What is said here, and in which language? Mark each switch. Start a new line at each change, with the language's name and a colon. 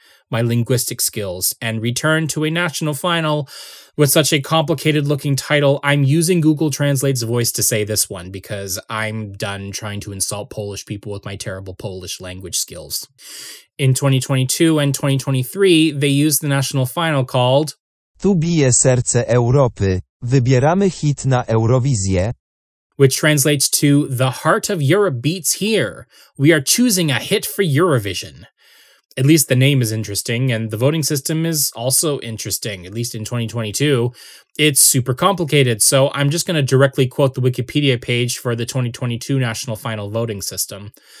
English: my linguistic skills and return to a national final with such a complicated looking title. I'm using Google Translate's voice to say this one because I'm done trying to insult Polish people with my terrible Polish language skills. In 2022 and 2023, they used the national final called
Polish: Tu bije serce Europy. Wybieramy hit na Eurowizję.
English: Which translates to The Heart of Europe Beats Here. We are choosing a hit for Eurovision. At least the name is interesting, and the voting system is also interesting, at least in 2022. It's super complicated, so I'm just going to directly quote the Wikipedia page for the 2022 National Final voting system.